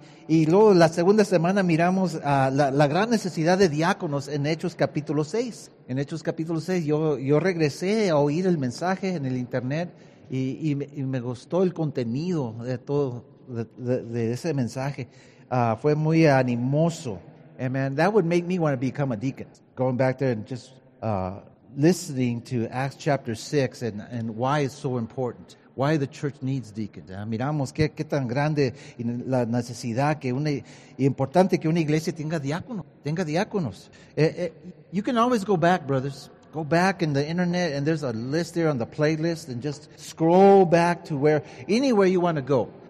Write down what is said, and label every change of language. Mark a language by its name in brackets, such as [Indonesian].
[Spanish] Y luego, la segunda semana, miramos la gran necesidad de diáconos en Hechos capítulo 6. En Hechos capítulo 6, yo regresé a oír el mensaje en el internet y me gustó el contenido de todo, de ese mensaje. Fue muy animoso. [English] And man, that would make me want to become a deacon. Going back there and just listening to Acts chapter 6 and why it's so important. Why the church needs deacons. [Spanish] Miramos qué tan grande la necesidad que una importante que una iglesia tenga diáconos. [English] You can always go back, brothers. Go back in the internet and there's a list there on the playlist and just scroll back to anywhere you want to go.